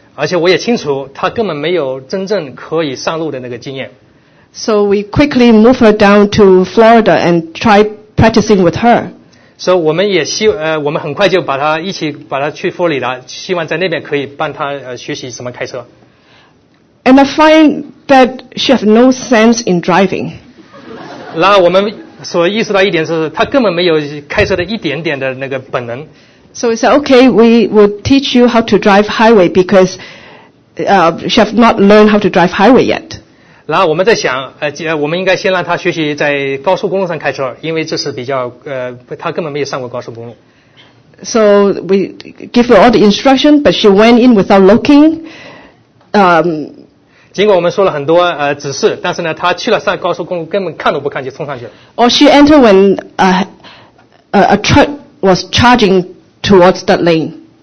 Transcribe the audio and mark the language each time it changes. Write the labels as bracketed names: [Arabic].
[Chinese] 而且我也清楚她根本没有真正可以上路的那个经验。 [English] So we quickly moved her down to Florida and tried practicing with her. [Chinese] So 我们也希我们很快就把他去佛罗里达，希望在那边可以帮他学习怎么开车。 [English] And I find that she has no sense in driving. [Chinese] 然后我们所意识到一点是，他根本没有开车的一点点的那个本能。 [English] So we said, okay, we will teach you how to drive highway because she has not learned how to drive highway yet. [Chinese] 然后我们在想，我们应该先让他学习在高速公路上开车，因为这是比较他根本没有上过高速公路。 [English] So we give her all the instruction, but she went in without looking. [Chinese] 尽管我们说了很多指示，但是呢，他去了上高速公路，根本看都不看就冲上去了。 [English] Or she entered when a truck was charging towards that lane.